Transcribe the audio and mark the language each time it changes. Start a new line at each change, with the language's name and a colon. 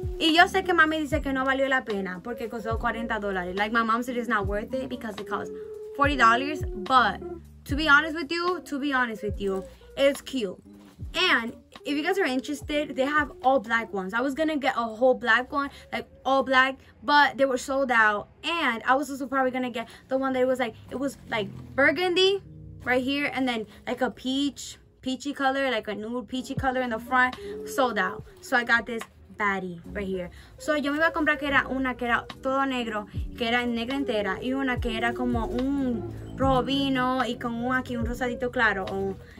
Spanish: Y yo sé que mami dice que no valió la pena porque costó $40.
English: Like, my mom said it's not worth it because it costs $40. But to be honest with you, it's cute. And if you guys are interested, they have all black ones. I was gonna get a whole black one, like all black, but they were sold out. And I was also probably gonna get the one that it was like burgundy right here, and then like a peachy color, like a nude peachy color in the front. Sold out. So I got this baddie right here.
Spanish: So yo me iba a comprar que era una que era todo negro, que era en negra entera, y una que era como un rojo vino y con un aquí un rosadito claro.